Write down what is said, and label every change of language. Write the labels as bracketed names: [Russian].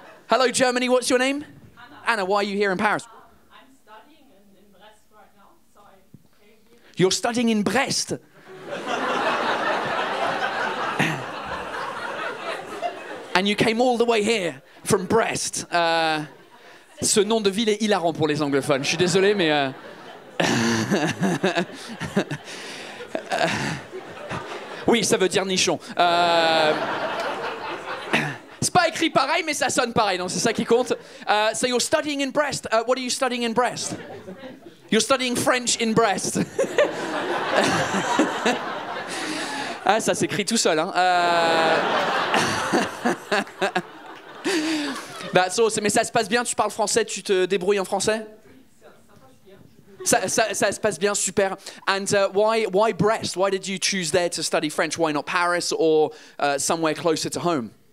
[English] Hello, Germany. What's your name? Anna. Anna, why are you here in Paris? I'm studying in Brest right now, so I came here. You're studying in Brest? And you came all the way here from Brest. [French] Ce nom de ville est hilarant pour les anglophones. Je suis désolé, mais... Oui, ça veut dire nichon. C'est pas écrit pareil, mais ça sonne pareil, donc c'est ça qui compte. [English] So you're studying in Brest. What are you studying in Brest? You're studying French in Brest. [French] Ah, ça s'écrit tout seul, hein. Bah, so, mais ça se passe bien, tu parles français, tu te débrouilles en français? Ça se passe bien, super. [English] And why Brest? Why did you choose there to study French? Why not Paris or somewhere closer to home?